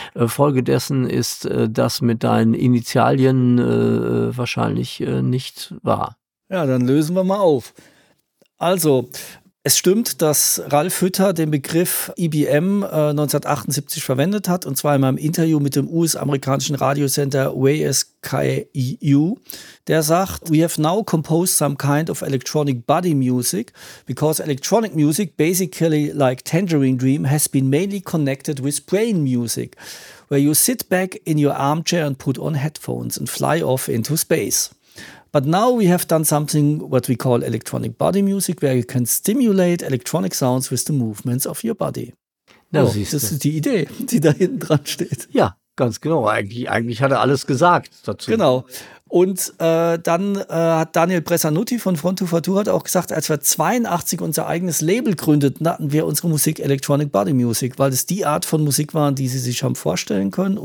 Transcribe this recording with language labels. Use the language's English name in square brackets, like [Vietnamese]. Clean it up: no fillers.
[German] Folgedessen ist das mit deinen Initialien wahrscheinlich nicht wahr. Ja, dann lösen wir mal auf. Also, es stimmt, dass Ralf Hütter den Begriff EBM 1978 verwendet hat, und zwar in einem Interview mit dem US-amerikanischen Radiosender WSKU. Der sagt, [English] we have now composed some kind of electronic body music, because electronic music, basically like Tangerine Dream, has been mainly connected with brain music, where you sit back in your armchair and put on headphones and fly off into space. But now we have done something what we call electronic body music, where you can stimulate electronic sounds with the movements of your body. [German] Na, oh, das ist die Idee, die da hinten dran steht. Ja, ganz genau. Eigentlich hat er alles gesagt dazu. Genau. Und dann hat Daniel Bressanotti von Front 242 hat auch gesagt, als wir 82 unser eigenes Label gründeten, hatten wir unsere Musik electronic body music, weil es die Art von Musik waren, die sie sich haben vorstellen können.